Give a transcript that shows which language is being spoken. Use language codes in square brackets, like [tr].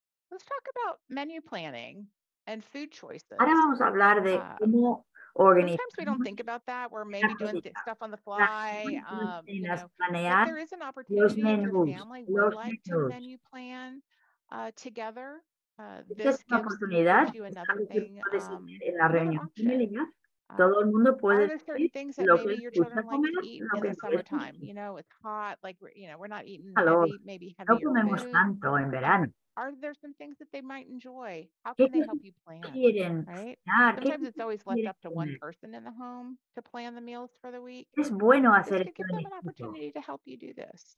[en] Let's talk about menu planning and food choices. [es] Ahora vamos a hablar de cómo organizar. [en] Sometimes we don't think about that. We're maybe doing stuff on the fly. There is an opportunity [es] los menús, [en] if your family would like to menu plan together. [es] This es una oportunidad en la reunión familiar. Todo el mundo puede decir lo que les gusta comer, lo que les gusta comer. [en] You know, it's hot, like, we're not eating, maybe heavier [es] no comemos [en] food. [es] Tanto en verano. [en] Are there some things that they might enjoy? How can they help you plan? Sometimes it's always left up to one person in the home to plan the meals for the week. [es] Es bueno hacer esto. [en] Give them an opportunity to help you do this.